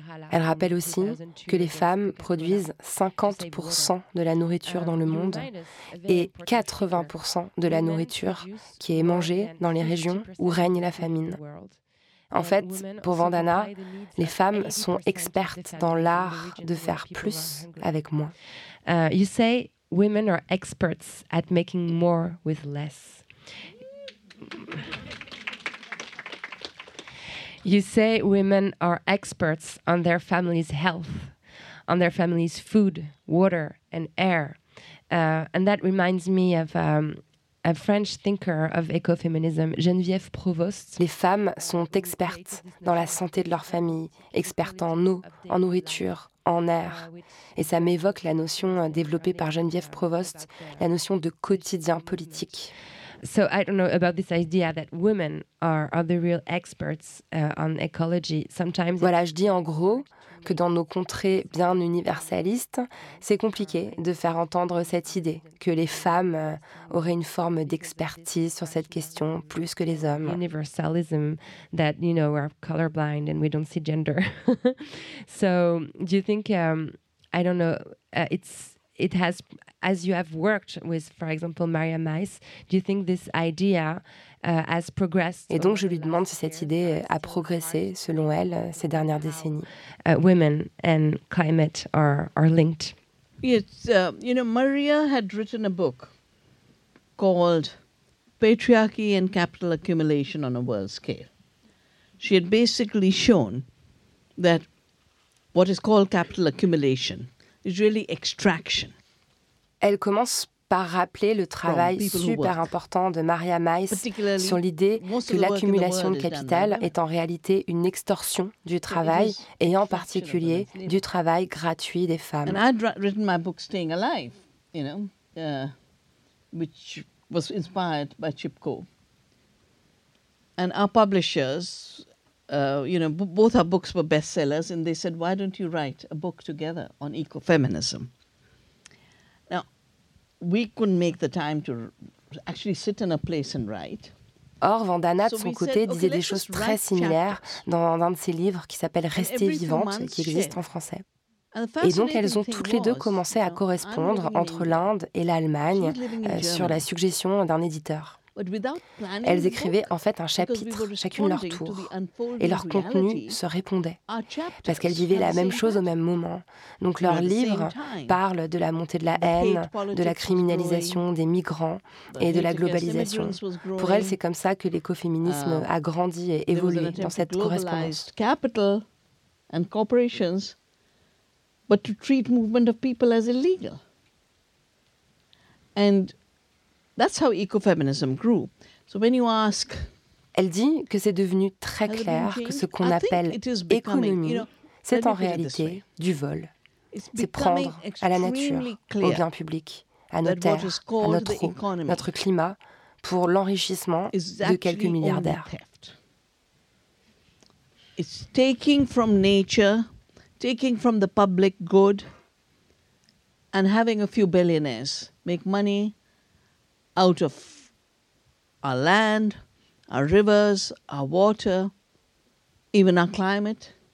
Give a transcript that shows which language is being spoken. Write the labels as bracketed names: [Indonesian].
[French] Elle rappelle aussi que les femmes produisent 50% de la nourriture dans le monde et 80% de la nourriture qui est mangée dans les régions où règne la famine. En fait, pour Vandana, les femmes sont expertes dans l'art de faire plus avec moins. [English] You say women are experts at making more with less. You say women are experts on their family's health, on their family's food, water, and air. And that reminds me of a French thinker of ecofeminism, Geneviève Provost. [French] Les femmes sont expertes dans la santé de leur famille, expertes en eau, en nourriture, en air. Et ça m'évoque la notion développée par Geneviève Provost, la notion de quotidien politique. [English] So I don't know about this idea that women are the real experts on ecology. Sometimes [French] voilà, je dis en gros que dans nos contrées bien universalistes, c'est compliqué de faire entendre cette idée que les femmes auraient une forme d'expertise sur cette question plus que les hommes. [English] Universalism that you know we're colorblind and we don't see gender. So do you think I don't know it has as you have worked with, for example, Maria Mies, do you think this idea has progressed? [French] Et donc je lui demande si cette idée a progressé selon elle ces dernières décennies. [English] Women and climate are linked. Yes, you know, Maria had written a book called patriarchy and capital accumulation on a world scale. She had basically shown that what is called capital accumulation is really extraction. [French] Elle commence par rappeler le travail super important de Maria Mice sur l'idée que l'accumulation de capital est en réalité une extorsion du travail et en particulier du travail gratuit des femmes. [English] And I'd written my book Staying Alive, you know, which was inspired by Chip Cove. And our publishers, you know, both our books were bestsellers and they said, why don't you write a book together on ecofeminism? We couldn't make the time to actually sit in a place and write. [French] Or, Vandana, de son côté, disait des choses très similaires dans un de ses livres qui s'appelle « Rester vivante », qui existe en français. Et donc, elles ont toutes les deux commencé à correspondre entre l'Inde et l'Allemagne sur la suggestion d'un éditeur. Elles écrivaient en fait un chapitre, chacune leur tour, et leur contenu se répondait, parce qu'elles vivaient la même chose au même moment. Donc leur livre parle de la montée de la haine, de la criminalisation des migrants et de la globalisation. Pour elles, c'est comme ça que l'écoféminisme a grandi et évolué dans cette correspondance. [English] Capital and corporations, but to treat movement of people as illegal. And that's how ecofeminism grew. So when you ask, [French] elle dit que c'est devenu très clair que ce qu'on appelle économie, c'est en réalité du vol. C'est prendre à la nature, au bien public, à nos terres, à notre eau, notre climat, pour l'enrichissement de quelques milliardaires. [English] It's taking from nature, taking from the public good, and having a few billionaires make money out of our land, our rivers, our water, even our climate.